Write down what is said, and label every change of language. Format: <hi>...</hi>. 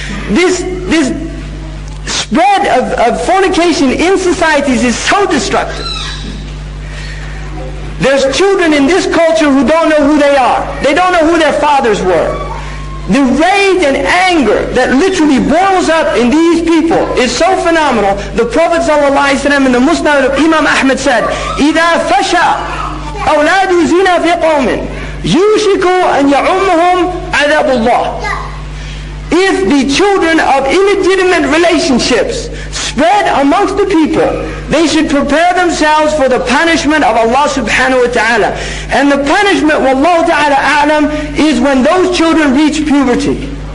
<en>This spread of fornication in societies is so destructive. There's children in this culture who don't know who they are. They don't know who their fathers were. The rage and anger that literally boils up in these people is so phenomenal. The Prophet ﷺ in the Musnad of Imam Ahmad said,</en> <ar>إِذَا فَشَى أَوْلَادُ زِنَا فِي قَوْمٍ يُوشِكُوا أَنْ يَعُمُّهُمْ عَذَابُ اللَّهِ.</ar> <en>If the children of illegitimate relationships spread amongst the people, they should prepare themselves for the punishment of Allah subhanahu wa ta'ala. And the punishment, wallahu ta'ala a'lam, is when those children reach puberty.</en>